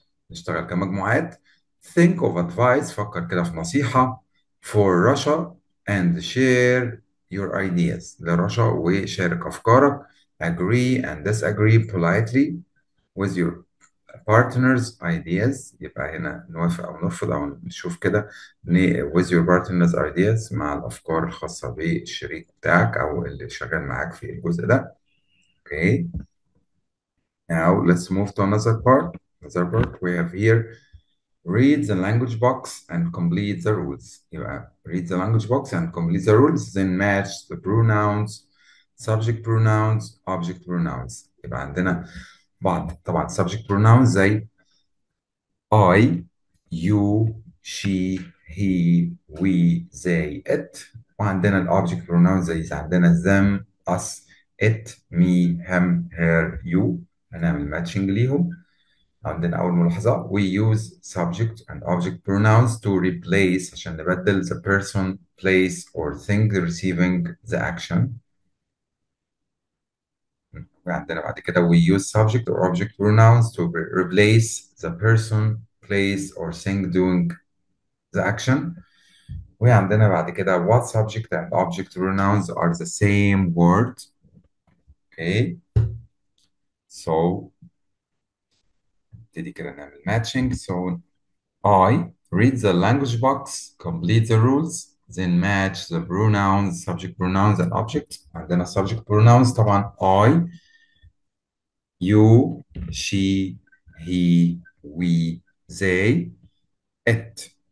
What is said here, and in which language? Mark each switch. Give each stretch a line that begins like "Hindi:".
Arabic: نشتغل كمجموعات.
English: Think of advice,
Arabic: فكر كده في نصيحة,
English: for Russia and share your ideas.
Arabic: لرشا وشارك أفكارك.
English: Agree and disagree politely with your partner's ideas.
Arabic: يبقى هنا نوافق أو نرفض أو نشوف كده.
English: With your partner's ideas,
Arabic: مع الأفكار الخاصة بالشريك بتاعك أو اللي شغال معاك في الجزء ده.
English: Okay. Now let's move to another part. Another part we have here. Read the language box and complete the rules. Read the language box and complete the rules. Then match the pronouns, subject pronouns, object pronouns.
Arabic: يبقى عندنا بعض طبعا
English: subject pronouns زي I, you, she, he, we, they, it. وعندنا ال object pronouns زي عندنا them, us, it, me, him, her, you.
Arabic: هنعمل matching ليهم. عندنا أول ملاحظة,
English: we use subject and object pronouns to replace,
Arabic: عشان نبدل
English: the person, place, or thing receiving the action.
Arabic: وعندنا بعد كده,
English: we use subject or object pronouns to replace the person, place, or thing doing the action.
Arabic: وعندنا بعد كده,
English: what subject and object pronouns are the same word. Okay. So,
Arabic: نبتدي كده نعمل
English: matching. So I read the language box, complete the rules, then match the pronouns, subject pronouns and object. And then a subject pronouns, طبعا I, you, she, he, we, they, it.